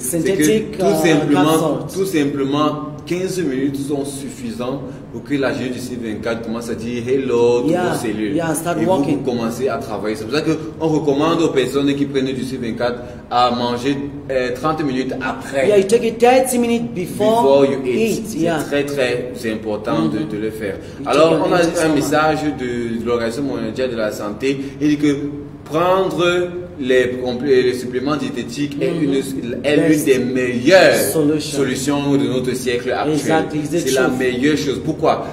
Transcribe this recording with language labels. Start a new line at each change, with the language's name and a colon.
French: Synthétique, tout simplement, 15 minutes sont suffisants pour que la GDC24 commence à dire hello toutes vos cellules.
English: Yeah, start
French: et
English: walking.
French: Vous commencez à travailler. C'est pour ça qu'on recommande aux personnes qui prennent du GDC24 à manger 30 minutes après.
English: Yeah, you take it 30 minutes before you eat.
French: C'est très très important de le faire. Alors, on a un message de l'Organisation mondiale de la santé. Il dit que prendre les suppléments diététiques est l'une des meilleures solutions de notre siècle actuel. C'est la meilleure chose. Pourquoi?